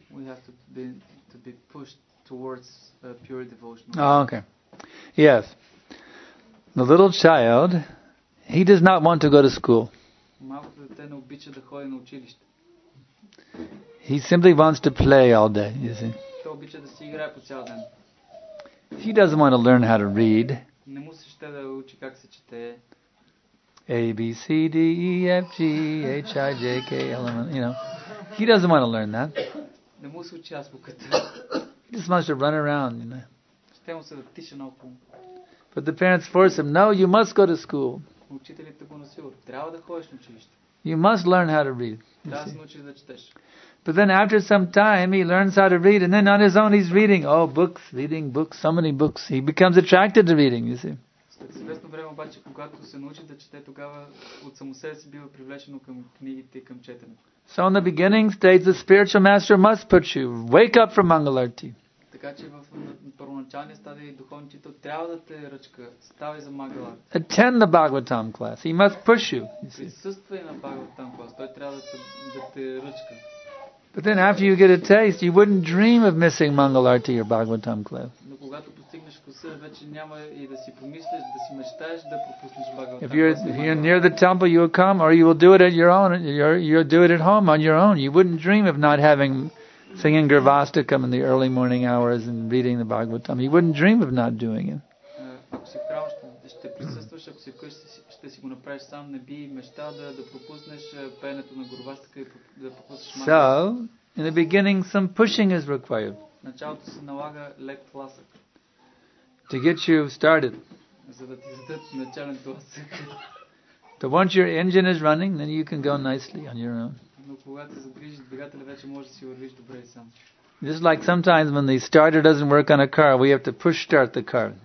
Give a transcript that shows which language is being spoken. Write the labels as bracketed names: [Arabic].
[English] We have to be pushed towards a pure devotion. Oh, okay. Yes. The little child, He does not want to go to school. [Bulgarian] Малкото дете не обича да ходи на училище. [English] He simply wants to play all day, you see. [Bulgarian] Той обича да си играе по цял ден. [English] He doesn't want to learn how to read. [Bulgarian] Не му се ще да учи как се чете. [English] A, B, C, D, E, F, G, H, I, J, K, L, M, you know. He doesn't want to learn that. [Bulgarian] Не му се учи азбуката. [English] He just wants to run around, you know. [Bulgarian] Ще му се да тиша наоколо. [English] But the parents force him, no, you must go to school. [Bulgarian] Учителите го насилват. Трябва да ходиш на училище. [English] You must learn how to read. [Bulgarian] Да, се научиш да четеш. [English] But then after some time, he learns how to read, and then on his own, he's reading. Oh, books, reading books, so many books. He becomes attracted to reading, you see. [Bulgarian] След известно време обаче, когато се научи да чете, тогава от само себе си бива привлечено към книгите и към четене. [English] So in the beginning stage, the spiritual master must put you, wake up from Mangalarti. [Bulgarian] Така че в първоначалния стадий духовният учител трябва да те ръчка, ставай за Мангаларти. [English] Attend the Bhagavatam class, he must push you. [Bulgarian] Присъствай на Бхагаватам клас, той трябва да те ръчка. [English] But then after you get a taste, you wouldn't dream of missing Mangalarti or Bhagavatam class. [Bulgarian] Но когато постигнеш вкуса, вече няма и да си помислиш, да си мечтаеш да пропуснеш Бхагаватам. [English] If you're near the temple, you will come, or you will do it at your own. You'll do it at home on your own. You wouldn't dream of not having singing Gravastakam in the early morning hours and reading the Bhagavatam. You wouldn't dream of not doing it. [Bulgarian] Ако си вкрал, ще присъстваш, ако си вкъщи, ще си го направиш сам, не би мечтал да пропуснеш пеенето на Гурвастака и да пропуснеш мантрата. [English] So, in the beginning some pushing is required. [Bulgarian] Началото се налага лек тласък. [English] To get you started. [Bulgarian] За да ти зададат начален тласък. [English] But once your engine is running, then you can go nicely on your own. [Bulgarian] Но когато се загрижиш двигателя, вече можеш да си вървиш добре сам. [English] Just like sometimes when the starter doesn't work on a car, we have to push start the car.